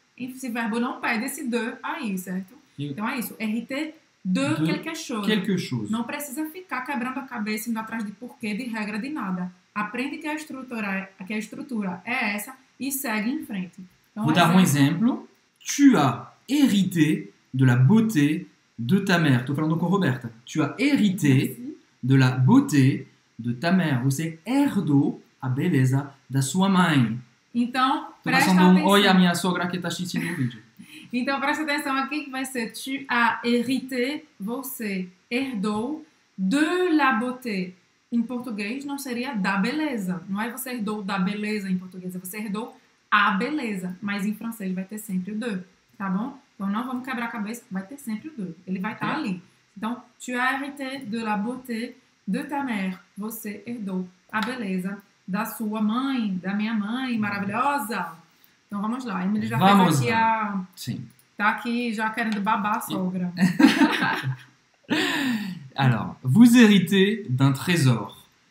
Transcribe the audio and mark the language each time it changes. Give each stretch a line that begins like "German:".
Portuguese: Esse verbo não pede esse de aí, certo? Então é isso,
French: hériter de quelque chose. Quelque chose.
Portuguese: Não precisa ficar quebrando a cabeça, indo atrás de porquê, de regra, de nada. Aprende que a estrutura é essa e segue em frente. Então, vou dar um exemplo.
French: Tu as hérité de la beauté de ta mère.
Portuguese: Estou falando com a Roberta.
French: Tu as hérité de la beauté de ta mère.
Portuguese: Você herdou a beleza da sua mãe. Então, tô presta atenção. Um oi à minha sogra que está assistindo o vídeo. Então, presta atenção aqui que vai ser
French: tu as hérité,
Portuguese: você herdou
French: de la beauté.
Portuguese: Em português não seria da beleza. Não é você herdou da beleza em português, é você herdou a beleza. Mas em francês vai ter sempre o de, tá bom? Então não vamos quebrar a cabeça, vai ter sempre o de. Ele vai estar ali.
French: Então, tu as hérité de la beauté de ta mère.
Portuguese: Você herdou a beleza da sua mãe, da minha mãe, maravilhosa. Então vamos lá. Emily já vamos fez aqui lá. A... Sim. Tá aqui já querendo babar a sogra.
French: Alors, vous héritez d'un trésor.